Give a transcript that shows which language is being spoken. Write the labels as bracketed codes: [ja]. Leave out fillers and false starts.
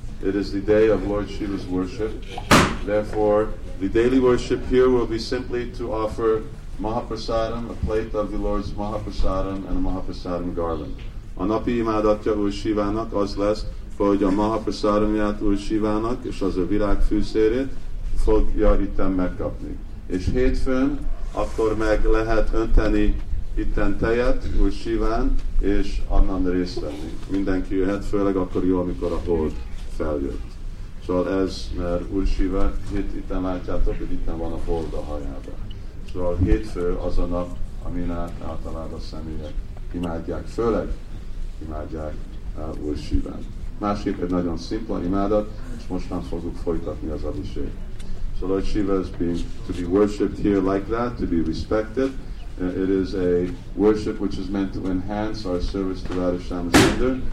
[en] It is the day of Lord Shiva's worship. Therefore, the daily worship here will be simply to offer Mahaprasadam, a plate of the Lord's Mahaprasadam and a Mahaprasadam garland. [hu] A napi imádatja Úr Sivának az lesz, hogy a Mahaprasadamját Úr Sivának és az a virágfűszérét fogja itten megkapni. És hétfőn akkor meg lehet önteni itten tejet Úr Siván, és annan részt venni. Mindenki jöhet, főleg akkor jó, amikor a hold feljött. Szóval ez, mert Úr Siva, itten látjátok, hogy itten van a hold a hajában. Szóval hétfő az a nap, amin általában a személyek imádják, főleg imádják Úr Siván. Másképp egy nagyon szimpla imádat, és most már fogjuk folytatni az abhishek. [en] So Lord Shiva is being to be worshipped here like that, to be respected. It is a worship which is meant to enhance our service to Radha Shyama Sundar.